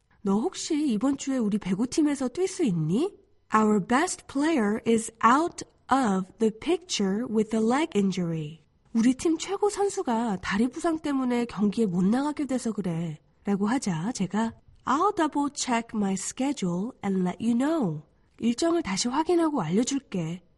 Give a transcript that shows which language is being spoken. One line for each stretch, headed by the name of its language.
Korean: 너 혹시 이번 주에 우리 배구팀에서 뛸 수 있니?
English: Our best player is out of the picture with a leg injury.
Korean: 우리 팀 최고 선수가 다리 부상 때문에 경기에 못 나가게 돼서 그래. 라고 하자 제가
English: I'll double check my schedule and let you know.
Korean: 일정을 다시 확인하고 알려줄게.